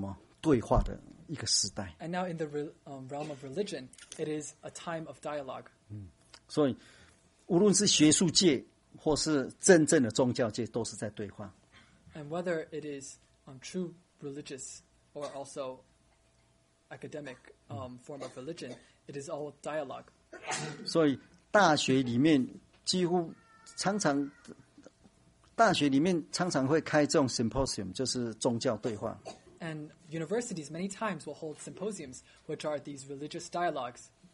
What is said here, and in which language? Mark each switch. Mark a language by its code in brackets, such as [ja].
[zh] 好，我是用这个例子说，现在的宗教界就是一个什么对话的一个时代。 [en] And now in the realm of religion, it is a time of dialogue. [zh] 所以，无论是学术界或是真正的宗教界，都是在对话。 [en] And whether it is true religious or also academic form of religion, it is all dialogue. [zh] 所以，大学里面几乎常常。大学里面常常会开这种 symposium， 就是宗教对话。 [en] And universities many times will hold symposiums, which are these religious dialogues.